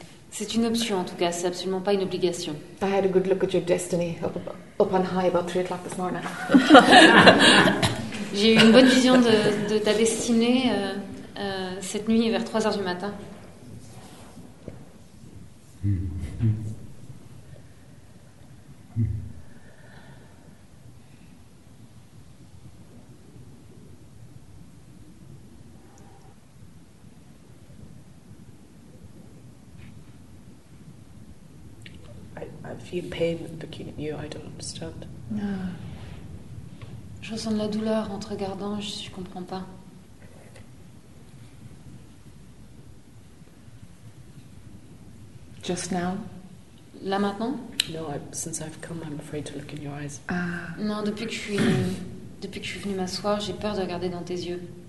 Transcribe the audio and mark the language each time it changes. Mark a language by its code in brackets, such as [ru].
[fr] C'est une option en tout cas, c'est absolument pas une obligation. [en] I had a good look at your destiny up on high about 3 o'clock this morning. [fr] J'ai eu une bonne vision de ta destinée cette nuit vers 3 heures du matin. [en] I feel pain looking at you, I don't understand. No. [fr] Je ressens de la douleur en te regardant, je ne comprends pas. [en] Just now? [fr] Là maintenant? [en] No, since I've come, I'm afraid to look in your eyes. [fr] Non, depuis que je suis venue m'asseoir, j'ai peur de regarder dans tes yeux.